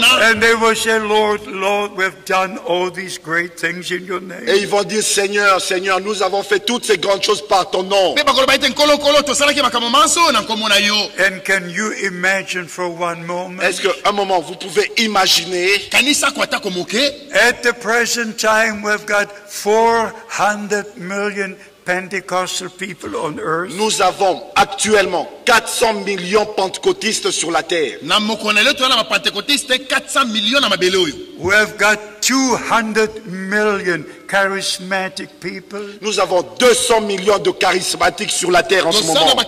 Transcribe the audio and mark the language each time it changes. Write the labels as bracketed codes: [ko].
[en] And they will say, Lord, Lord, we've done all these great things in your name. [fr] Et ils vont dire, Seigneur, Seigneur, nous avons fait toutes ces grandes choses par ton nom. [en] And can you imagine for one moment? [fr] Est-ce que un moment vous pouvez imaginer? [en] At the present time, we've got 400 million Pentecostal people on earth. [fr] Nous avons actuellement 400 millions pentecôtistes sur la terre. [en] We've got 200 million charismatic people. [fr] Nous avons 200 millions de charismatiques sur la terre en ce moment.